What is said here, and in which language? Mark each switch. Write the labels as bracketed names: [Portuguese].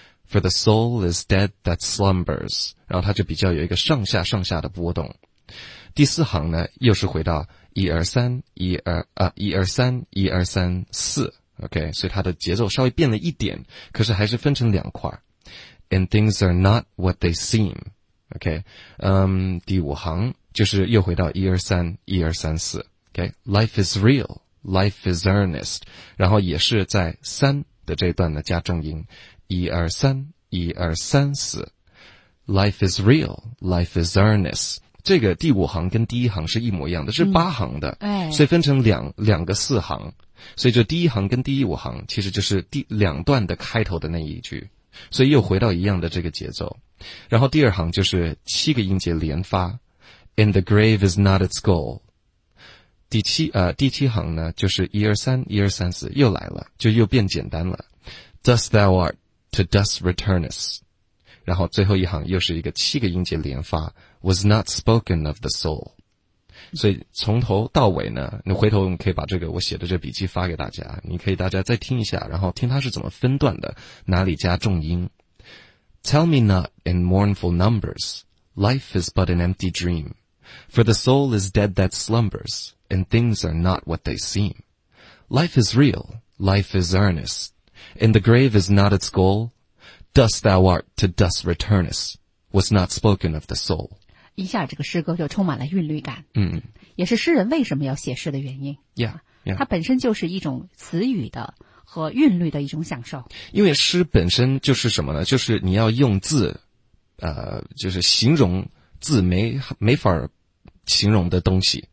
[English] For the soul is dead that slumbers, [Chinese] 然后它就比较有一个上下的波动。第四行呢，又是回到一二三，一二三，一二三四 ,OK, 所以它的节奏稍微变了一点，可是还是分成两块。 [English] And things are not what they seem, OK, [Chinese] 第五行就是又回到一二三，一二三四。 [English] Okay, life is real, life is earnest. [Chinese] 然后也是在三的这段呢加重音，一二三，一二三四。 [English] Life is real, life is earnest. [Chinese] 这个第五行跟第一行是一模一样的，是八行的，所以分成两个四行。所以就第一行跟第五行其实就是第两段的开头的那一句，所以又回到一样的这个节奏。然后第二行就是七个音节连发， [English] And the grave is not its goal。 [Chinese] 第七行呢就是一二三，一二三四又来了，就又变简单了， [English] Dust thou art, to dust returnest。 [Chinese] 然后最后一行又是一个七个音节连发， [English] Was not spoken of the soul。 [Chinese] 所以从头到尾呢，你回头可以把这个我写的这笔记发给大家，你可以大家再听一下，然后听它是怎么分段的，哪里加重音。 [English] Tell me not in mournful numbers, life is but an empty dream, for the soul is dead that slumbers, and things are not what they seem. Life is real, life is earnest, and the grave is not its goal. Dust thou art, to dust returnest, was not spoken of the soul. [Chinese] 一下这个诗歌就充满了韵律感，嗯，也是诗人为什么要写诗的原因。 [English] Yeah, [Chinese] 它本身就是一种词语的和韵律的一种享受。因为诗本身就是什么呢？就是你要用字，就是形容字没法形容的东西。